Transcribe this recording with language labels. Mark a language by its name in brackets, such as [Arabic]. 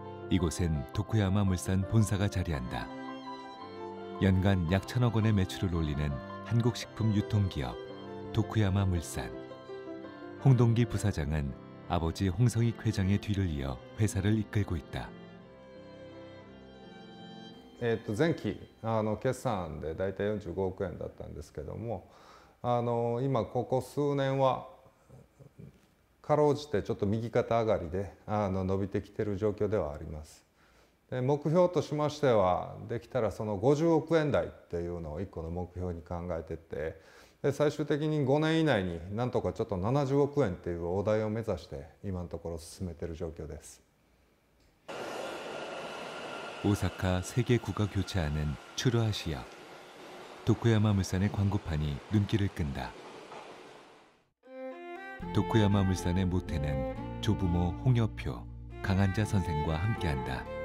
[Korean] 이곳엔 도쿠야마 물산 본사가 자리한다. 연간 약 천억 원의 매출을 올리는 한국식품 유통기업 도쿠야마 물산. 홍동기 부사장은 아버지 홍성익 회장의 뒤를 이어 회사를 이끌고 있다. [Japanese] 前期決算で大体 45億 円だったんですけども、今ここ数年は 辛うじてちょっと右肩上がりで伸びてきてる状況ではあります。で、目標としましてはできたらその50億円台っていうのを一個の目標に考えてて、で、最終的に5年以内になんとかちょっと70億円っていうお題を目指して今のところ進めてる状況です。 [Korean] 오사카 세계 구가 교차하는 츄루하시역. 도쿠야마 물산의 광고판이 눈길을 끈다. 도쿠야마 물산의 모태는 조부모 홍여표, 강한자 선생과 함께한다.